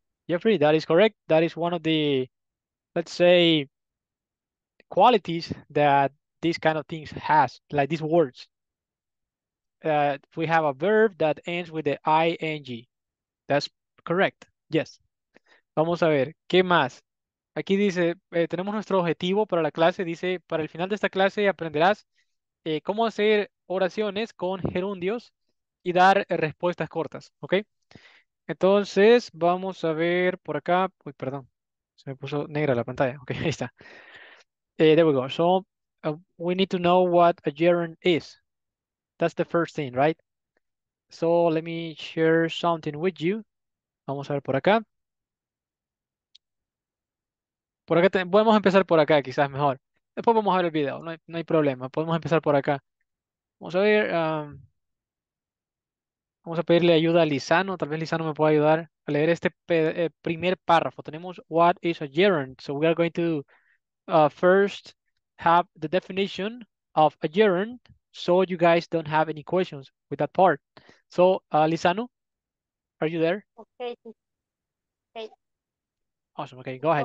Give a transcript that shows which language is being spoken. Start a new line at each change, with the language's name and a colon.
English: Jeffrey, that is correct. That is one of the, let's say, qualities that these kind of things has, like these words. We have a verb that ends with the ing. That's correct. Yes.
Spanish: Vamos a ver, ¿qué más? Aquí dice, tenemos nuestro objetivo para la clase. Dice, para el final de esta clase aprenderás cómo hacer oraciones con gerundios y dar respuestas cortas, ¿ok? Entonces, vamos a ver por acá. Uy, perdón, se me puso negra la pantalla. Ok, ahí está.
English: There we go. So, we need to know what a gerund is. That's the first thing, right? So, let me share something with you.
Spanish: Vamos a ver por acá. Por acá podemos empezar por acá, quizás mejor. Después vamos a ver el video, no hay problema. Podemos empezar por acá. Vamos a ver. Vamos a pedirle ayuda a Lizano. Tal vez Lizano me pueda ayudar a leer este primer párrafo. Tenemos,
English: what is a gerund? So we are going to first have the definition of a gerund so you guys don't have any questions with that part. So, Lizano, are you there? Okay. Awesome. Okay, go ahead.